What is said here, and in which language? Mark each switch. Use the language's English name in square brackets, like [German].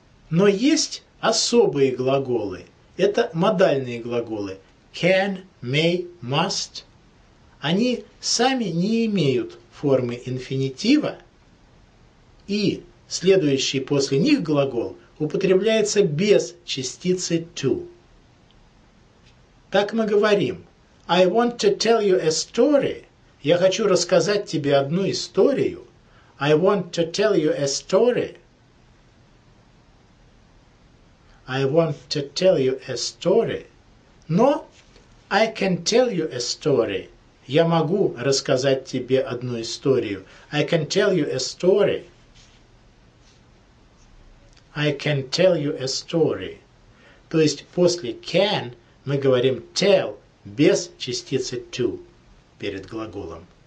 [Russian] Но есть особые глаголы. Это модальные глаголы. [English] Can, may, must. [Russian] Они сами не имеют формы инфинитива. И следующий после них глагол употребляется без частицы to. Так мы говорим. [English] I want to tell you a story. [Russian] Я хочу рассказать тебе одну историю. [English] I want to tell you a story. I want to tell you a story. [Russian] Но [English] I can tell you a story. [Russian] Я могу рассказать тебе одну историю. [English] I can tell you a story. I can tell you a story. [Russian] То есть после can мы говорим tell без частицы to перед глаголом.